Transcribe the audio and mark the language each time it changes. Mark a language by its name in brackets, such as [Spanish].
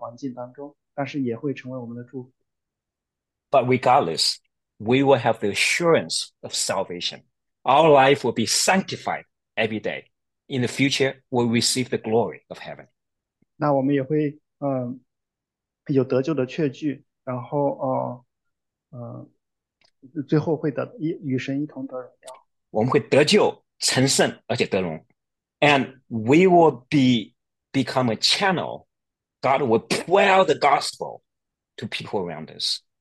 [Chinese] 那神可能也会让我们能够变得跟灵舍有很好的关系，或者变得很富有，也可能会像牧师一样，将我们扣在一个不容易的环境当中，但是也会成为我们的祝福。 [English] But regardless, we will have the assurance of salvation. Our life will be sanctified every day. In the future, we'll receive the glory of heaven. [Chinese] 那我们也会有得救的确据，然后最后会得与神一同得荣耀。我们会得救、成圣，而且得荣。 [English] And we will become a channel. God will pour out the gospel to people around us.